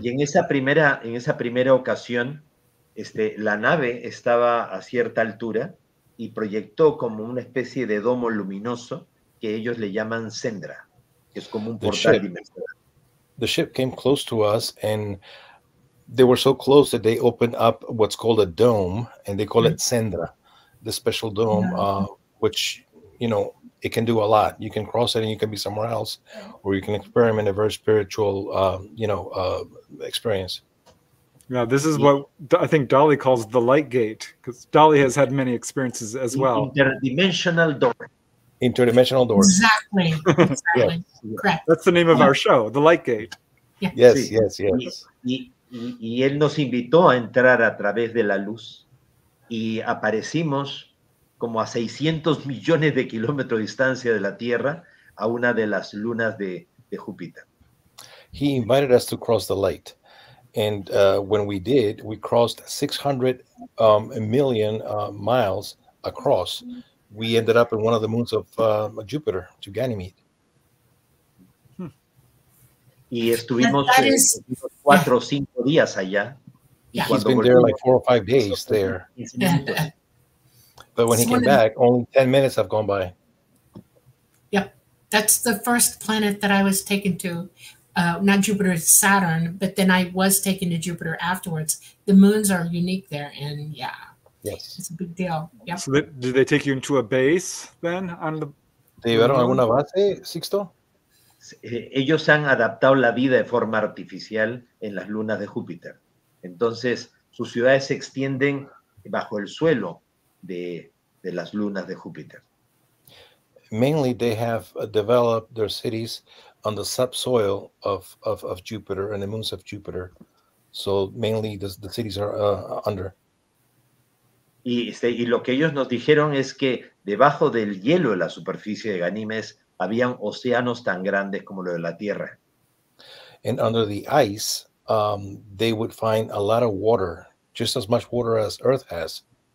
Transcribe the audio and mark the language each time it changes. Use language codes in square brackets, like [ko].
[es] Y en esa primera ocasión, la nave estaba a cierta altura y proyectó como una especie de domo luminoso que ellos le llaman sendra, que es como un portal dimensional. [en] The ship came close to us and they were so close that they opened up what's called a dome, and they call it sendra, the special dome, which, you know, it can do a lot. You can cross it and you can be somewhere else, or you can experiment a very spiritual, experience. Yeah, this is what I think Dolly calls the light gate, because Dolly has had many experiences as well. Interdimensional door. Interdimensional door. Exactly. Exactly. Yes. Correct. That's the name of our show, the light gate. Yes, yes, yes. Yes. [es] Y él nos invitó a entrar a través de la luz y aparecimos como a 600 millones de kilómetros de distancia de la Tierra a una de las lunas de Júpiter. [en] He invited us to cross the light. And when we did, we crossed 600 million miles across. We ended up in one of the moons of Jupiter, to Ganymede. [es] Y estuvimos 4 o 5 días allá. [en] Yeah. He's been there like 4 or 5 days there. But when he came back, only 10 minutes have gone by. Yep. That's the first planet that I was taken to. Not Jupiter, it's Saturn, but then I was taken to Jupiter afterwards. The moons are unique there, and yeah. Yes. It's a big deal. Yep. So did they take you into a base then? [es] ¿Te llevaron alguna base, Sixto? Ellos han adaptado la vida de forma artificial en las lunas de Júpiter. Entonces, sus ciudades se extienden bajo el suelo de las lunas de Júpiter. [en] Mainly, they have developed their cities on the subsoil of Jupiter and the moons of Jupiter. So mainly the cities are under. [es] Y lo que ellos nos dijeron es que debajo del hielo de la superficie de Ganímedes habían océanos tan grandes como los de la Tierra. [en] And under the ice, they would find a lot of water, just as much water as Earth has.